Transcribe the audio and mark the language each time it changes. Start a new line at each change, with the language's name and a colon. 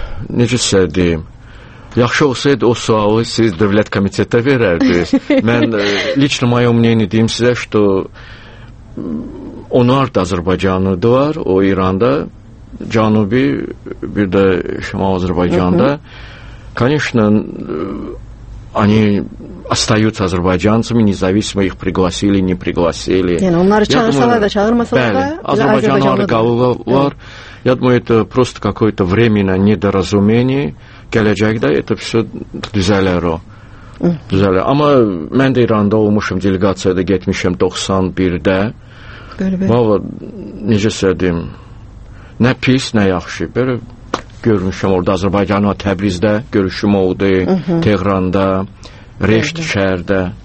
Azerbaijani: Necə deyim? Yaxşı olsaydı o sualı siz dövlət komitetə verərdiniz. Mən
Russian: lično mayo mneni
Azerbaijani: deyim sizə,
Russian: что
Azerbaijani: onlar da Azərbaycanlıdırlar, o İranda Cənubi, bir də Şimal Azərbaycanda.
Russian: Конечно, они остаются азербайджанцами, независимо их пригласили, не пригласили.
Azerbaijani: Yəni, onları çağırsalar da, çağırmasalar da, Азербайджанлар qalırlar.
Russian: Я думаю, это просто какое-то временное недоразумение.
Azerbaijani: Gələcəkdə
Russian: это все
Azerbaijani: düzələr o. Düzələr. Amma mən də İranda olmuşum, delegasiyada getmişim 91-də. Valla, necə söyleyeyim, nə pis, nə yaxşı. Böyle görmüşüm orada Azərbaycanla Təbrizdə görüşüm oldu, Tehranda, Reşt şəhərdə.